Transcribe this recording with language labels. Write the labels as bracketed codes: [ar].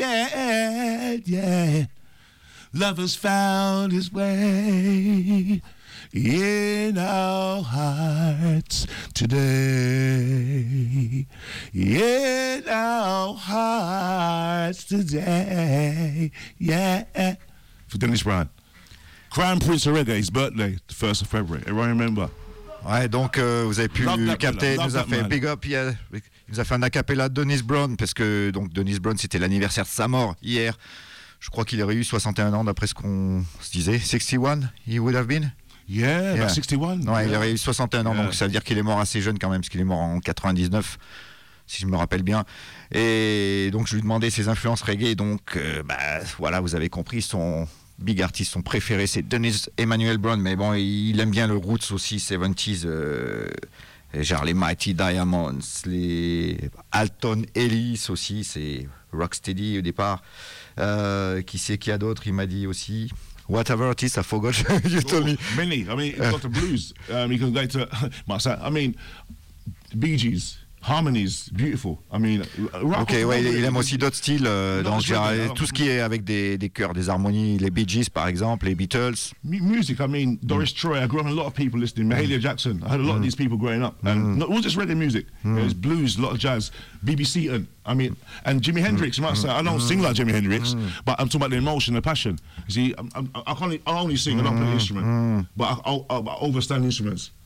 [en] Yeah. Love has found its way in our hearts today. In our hearts today. Yeah. For Dennis Brown. Crown Prince of Reggae, his birthday, the 1st of February. Everyone remember? [fr] Ouais, donc vous avez pu capter, il nous a fait big up, yeah. Il nous a fait un acapella de Dennis Brown, parce que donc Dennis Brown, c'était l'anniversaire de sa mort hier. Je crois qu'il aurait eu 61 ans d'après ce qu'on se disait. [en] 61, he would have been? Yeah, yeah. 61. [fr] Non, yeah. Il aurait eu 61 ans, yeah. Donc ça veut dire qu'il est mort assez jeune quand même, parce qu'il est mort en 99, si je me rappelle bien. Et donc je lui demandais ses influences reggae, donc voilà, vous avez compris, son big artiste, son préféré, c'est Dennis Emmanuel Brown, mais bon, il aime bien le roots aussi, 70s, genre les Mighty Diamonds, les Alton Ellis aussi, c'est Rocksteady au départ. Qui sait qu'il y a d'autres, il m'a dit aussi. [en] Whatever it is, I forgot you told me. Many. I mean, it's got the blues. You can go to, Bee Gees, harmonies, beautiful. I mean, [fr] rock. Okay, ouais, il aime aussi d'autres styles. Donc, tout ce qui est avec des chœurs, des harmonies, les Bee Gees, par exemple, les Beatles. [en] Music, I mean, Doris Troy, I grew up with a lot of people listening. Mahalia Jackson, I had a lot of these people growing up. And not just reggae music. It was blues, a lot of jazz, BBC, and Jimi Hendrix, you might say. I don't sing like Jimi Hendrix, but I'm talking about the emotion, the passion. You see, I only sing and I play an instrument, but I understand instruments.